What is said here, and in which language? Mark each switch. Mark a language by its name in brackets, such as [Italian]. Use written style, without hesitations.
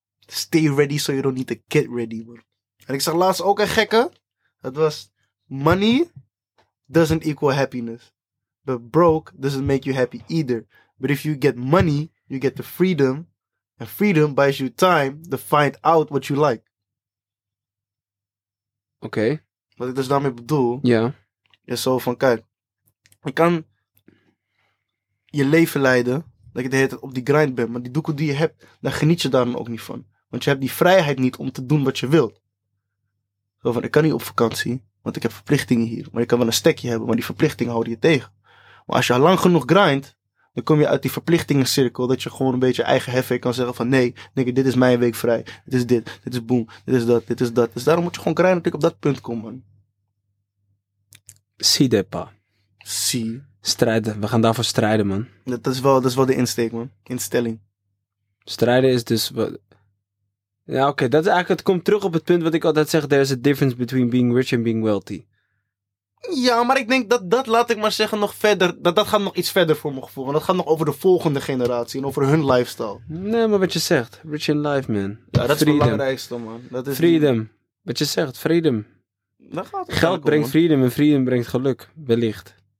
[English] Stay ready so you don't need to get ready, man. [Dutch] En ik zag laatst ook een gekke. Dat was, [English] money doesn't equal happiness. But broke doesn't make you happy either. But if you get money, you get the freedom. And freedom buys you time to find out what you like. [Dutch] Oké. Okay. Wat ik dus daarmee bedoel. Ja. Yeah. Is zo van, kijk. Je kan je leven leiden. Dat je de hele tijd op die grind bent. Maar die doekel die je hebt, daar geniet je daar dan ook niet van. Want je hebt die vrijheid niet om te doen wat je wilt. Zo van, ik kan niet op vakantie. Want ik heb verplichtingen hier. Maar je kan wel een stekje hebben. Maar die verplichtingen houden je tegen. Maar als je lang genoeg grindt. Dan kom je uit die verplichtingencirkel. Dat je gewoon een beetje eigen heffen kan zeggen van. Nee, nigga, dit is mijn week vrij. Dit is dit. Dit is boom. Dit is dat. Dit is dat. Dus daarom moet je gewoon grinden dat ik op dat punt kom, man. Si depa. Si. Strijden. We gaan daarvoor strijden, man. Dat is wel de insteek, man. Instelling. Strijden is dus... Ja, oké. Okay. Dat is eigenlijk, het komt terug op het punt wat ik altijd zeg. [English] There is a difference between being rich and being wealthy. [Dutch] Ja, maar ik denk dat laat ik maar zeggen, nog verder. Dat gaat nog iets verder voor mijn gevoel. En dat gaat nog over de volgende generatie en over hun lifestyle. Nee, maar wat je zegt. [English] Rich in life, [Dutch] man. Ja, dat freedom. Is het belangrijkste, man. Dat is freedom. Die... Wat je zegt, freedom. Dat gaat het geld brengt om, freedom en freedom brengt geluk, wellicht.